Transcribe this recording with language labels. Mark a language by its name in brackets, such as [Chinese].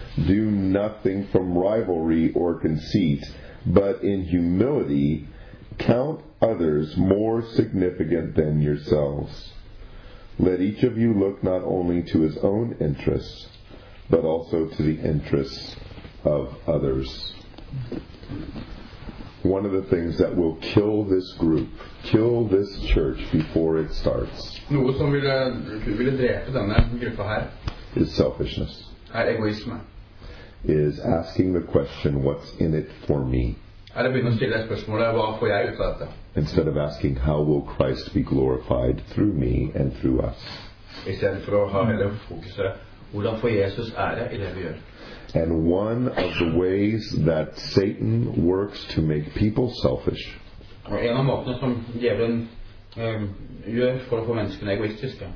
[English] Do nothing from rivalry or conceit, but in humility count others more significant than yourselves. Let each of you look not only to his own interests, but also to the interests of others. One of the things that will kill this group, kill this church before it starts, [Norwegian] noe som ville drepe denne gruppa her, [English] is selfishness. [Norwegian] Egoisme. [English] Is asking the question, what's in it for me? [Norwegian] Begynner å stille spørsmålet, hva får jeg ut av dette? [English] Instead of asking, how will Christ be glorified through me and through us? [Norwegian] Istedet for å ha hele fokuset, hvordan får Jesus ære I det vi gjør? [English] And one of the ways that Satan works to make people selfish, [Norwegian] og en av måtene som djevelen gjør for å få menneskene egoistiske,